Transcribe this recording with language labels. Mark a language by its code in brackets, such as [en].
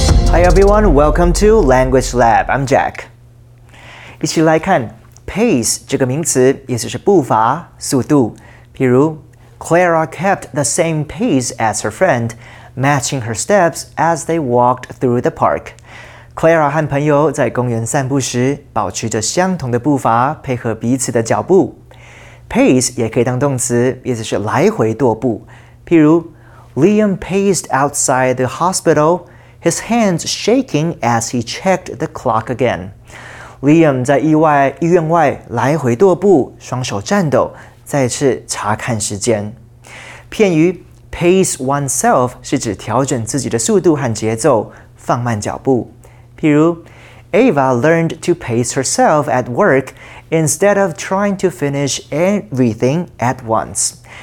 [en] Hi everyone, welcome to Language Lab, I'm Jack. [zh] 一起来看 pace 这个名词也就是步伐、速度。 [en] 譬如 Clara kept the same pace as her friend, matching her steps as they walked through the park. [zh] Clara 和朋友在公园散步时保持着相同的步伐配合彼此的脚步。 Pace 也可以当动词也就是来回踱步。 [en] 譬如 Liam paced outside the hospital,His hands shaking as he checked the clock again. [zh] Liam 在医院外来回踱步，双手颤抖，再次查看时间。片语 pace oneself 是指调整自己的速度和节奏，放慢脚步。 [en] 譬如 Ava learned to pace herself at work instead of trying to finish everything at once.